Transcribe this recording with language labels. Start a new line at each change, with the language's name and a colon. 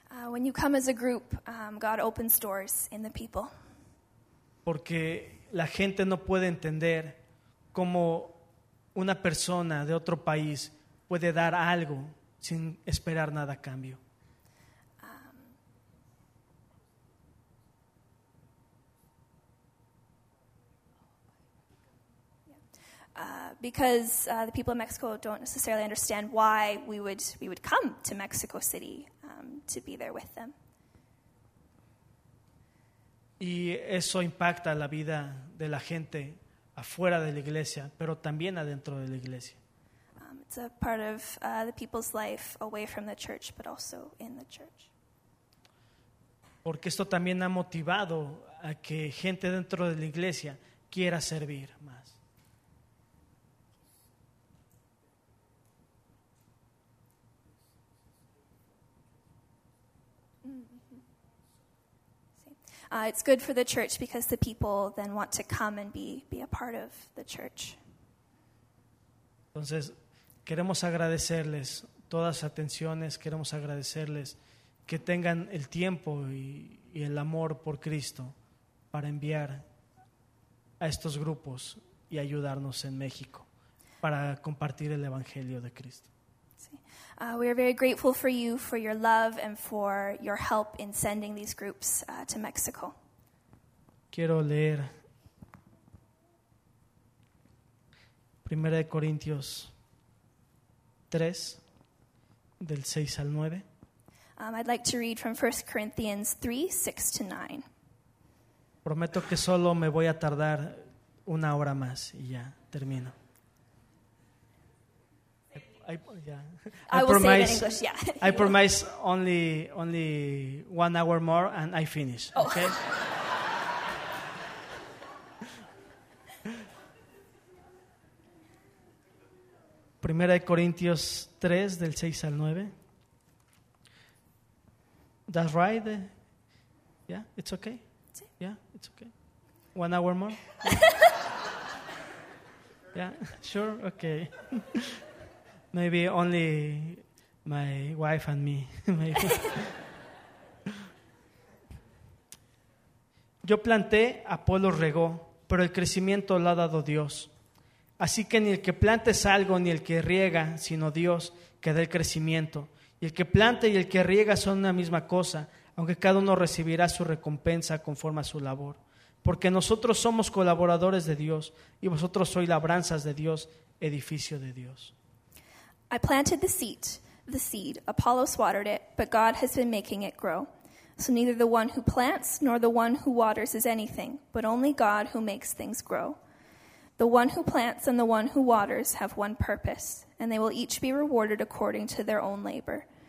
English: When you come as a group, God opens doors in the people.
Spanish: Porque la gente no puede entender cómo una persona de otro país puede dar algo sin esperar nada a cambio.
English: Because the people of Mexico don't necessarily understand why we would come to Mexico City to be there with them.
Spanish: Y eso impacta la vida de la gente afuera de la iglesia, pero también adentro de la iglesia.
English: It's a part of the people's life away from the church, but also in the church.
Spanish: Porque esto también ha motivado a que gente dentro de la iglesia quiera servir más.
English: It's good for the church because the people then want to come and be a part of the church.
Spanish: Entonces, queremos agradecerles todas las atenciones, queremos agradecerles que tengan el tiempo y el amor por Cristo para enviar a estos grupos y ayudarnos en México para compartir el Evangelio de Cristo.
English: We are very grateful for you, for your love, and for your help in sending these groups to Mexico.
Spanish: Quiero leer 1 Corintios 3, del 6 al 9.
English: I'd like to read from 1 Corinthians 3, 6 to 9.
Spanish: Prometo que solo me voy a tardar una hora más y ya termino.
English: I promise only 1 hour more and I finish. Oh. Okay.
Spanish: Primera de Corintios 3, del 6 al 9.
English: That's right. Yeah, it's okay.
Spanish: Sí.
English: Yeah, it's okay. 1 hour more. Yeah, sure. Okay. Maybe only my wife and me. Maybe.
Spanish: Yo planté, Apolo regó, pero el crecimiento lo ha dado Dios. Así que ni el que planta es algo, ni el que riega, sino Dios, que da el crecimiento. Y el que planta y el que riega son una misma cosa, aunque cada uno recibirá su recompensa conforme a su labor. Porque nosotros somos colaboradores de Dios, y vosotros sois labranzas de Dios, edificio de Dios.
English: I planted the seed, Apollos watered it, but God has been making it grow. So neither the one who plants nor the one who waters is anything, but only God who makes things grow. The one who plants and the one who waters have one purpose, and they will each be rewarded according to their own labor.